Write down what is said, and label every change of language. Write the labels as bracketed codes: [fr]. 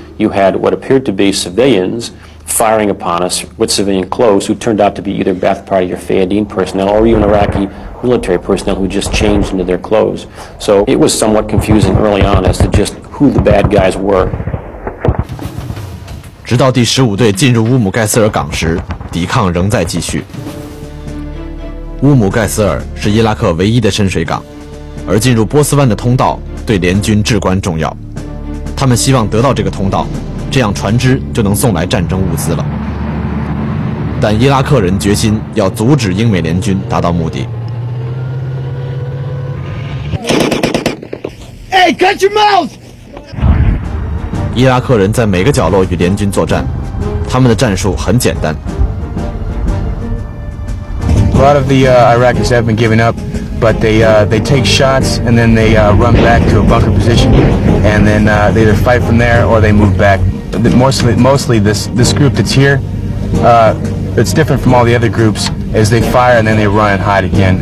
[en] You had what appeared to be civilians firing upon us with civilian clothes, who turned out to be either Ba'ath Party or Fayyadeen personnel, or even Iraqi military personnel who just changed into their clothes. So it was somewhat confusing early on as to just who the bad guys were. [zh] 直到第十五队进入乌姆盖斯尔港时，抵抗仍在继续。乌姆盖斯尔是伊拉克唯一的深水港，而进入波斯湾的通道对联军至关重要。他们希望得到这个通道，这样船只就能送来战争物资了。但伊拉克人决心要阻止英美联军达到目的。 [en] Hey, cut your mouth! [zh] 伊拉克人在每个角落与联军作战，他们的战术很简单。 [en] A lot of the Iraqis have been giving up, but they take shots and then they run back to a bunker position, and then they either fight from there or they move back. Mostly this group that's here, it's different from all the other groups, as they fire and then they run and hide again.